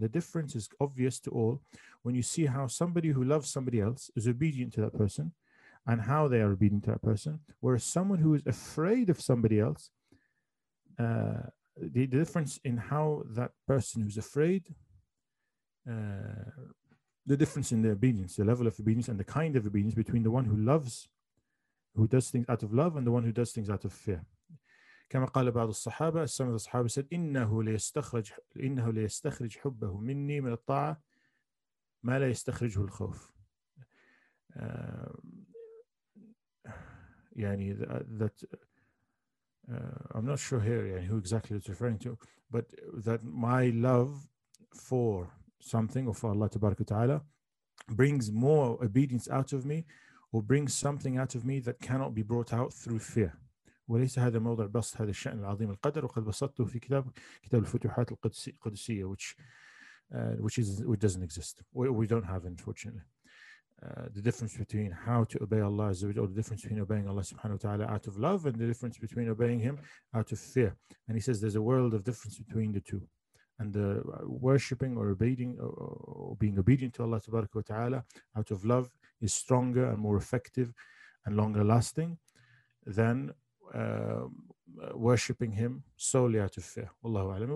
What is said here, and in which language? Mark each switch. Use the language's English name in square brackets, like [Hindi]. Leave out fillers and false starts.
[English] The difference is obvious to all when you see how somebody who loves somebody else is obedient to that person and how they are obedient to that person, whereas someone who is afraid of somebody else, the difference in how that person who's afraid, the difference in the obedience, the level of obedience and the kind of obedience between the one who loves who does things out of love and the one who does things out of fear. [Arabic] كما قال بعض الصحابة, [English] some of the صحابة said, [Arabic] إنه ليستخرج حبه مني من الطاعة ما لا يستخرجه الخوف. [English] يعني that I'm not sure here يعني who exactly it's referring to, but that my love for something or for Allah تبارك وتعالى brings more obedience out of me or brings something out of me that cannot be brought out through fear. [Arabic] وليس هذا موضع بسط هذا الشأن العظيم القدر وقد بسطته في كتاب الفتوحات القدسية [English] which doesn't exist. We don't have, unfortunately. The difference between how to obey Allah Azza wa Jalla, or the difference between obeying Allah subhanahu wa ta'ala out of love and the difference between obeying Him out of fear. And he says there's a world of difference between the two. And the worshipping or obeying or being obedient to Allah tabaraka wa ta'ala out of love is stronger and more effective and longer lasting than worshipping Him solely out of fear. Wallahu alam.